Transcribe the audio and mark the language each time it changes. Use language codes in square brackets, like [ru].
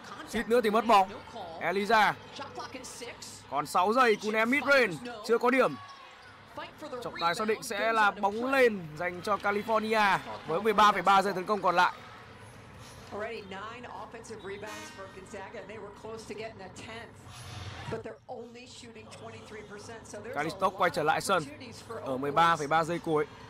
[vi] Chút nữa thì mất bóng. Eliza. Còn 6 giây, cú ném mid-range chưa có điểm. Trọng tài xác định sẽ là bóng lên dành cho California với 13,3 giây tấn công còn lại. [en] Already 9 offensive rebounds for Gonzaga and they were close to getting a 10th. But they're only shooting 23%. So there's [vi] Kalistok quay trở lại sân ở 13,3 giây cuối.